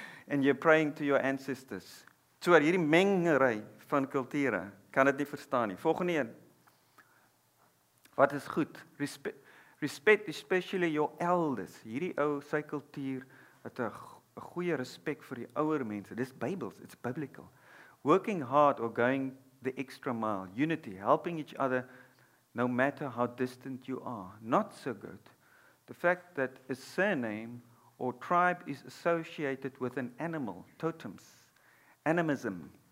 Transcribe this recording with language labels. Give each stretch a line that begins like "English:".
English: And you're praying to your ancestors.
Afrikaans: So hierdie mengery van kulture, kan dit nie verstaan nie. Volgende een. Wat is goed?
English: Respect especially your elders.
Afrikaans: Hierdie ou sy kultuur het 'n goeie respek vir die ouer mense. Dis Bybels,
English: it's biblical. Working hard or going the extra mile. Unity, helping each other no matter how distant you are. Not so good. The fact that a surname or tribe is associated with an animal, totems, animism.